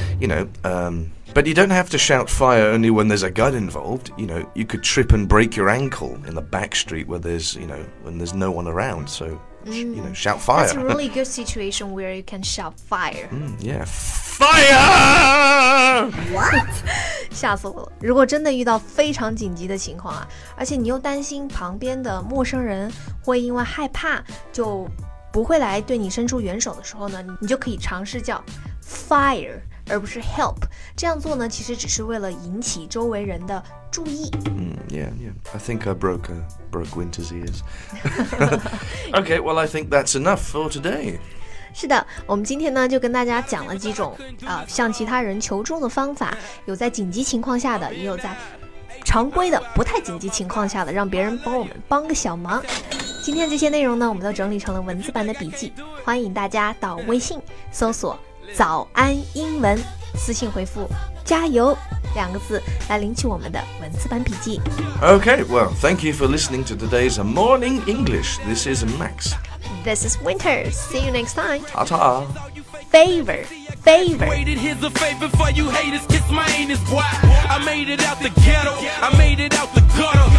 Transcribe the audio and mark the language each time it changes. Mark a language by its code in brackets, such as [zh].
[en] You know, but you don't have to shout fire only when there's a gun involved. You know, you could trip and break your ankle in the back street where there's, you know, when there's no one around. So, you know, shout fire. That's a really good situation where you can shout fire. Yeah. Fire! What? [zh] 吓死我了。如果真的遇到非常紧急的情况啊，而且你又担心旁边的陌生人会因为害怕就不会来对你伸出援手的时候呢，你就可以尝试叫 fire 而不是 help。这样做呢，其实只是为了引起周围人的注意。 [en] I think I broke Winter's ears. Okay, well, I think that's enough for today. [zh] 是的，我们今天呢就跟大家讲了几种向其他人求助的方法，有在紧急情况下的，也有在常规的不太紧急情况下的，让别人帮我们帮个小忙。今天这些内容呢，我们都整理成了文字版的笔记，欢迎大家到微信搜索早安英文，私信回复加油两个字来领取我们的文字版笔记。 [en] Okay, well, thank you for listening to today's Morning English. This is Max This is Winter. See you next time. Ta-ta. Favor. Favor. Waited, here's a favor for you haters. Kiss my anus, boy. I made it out the ghetto. I made it out the gutter.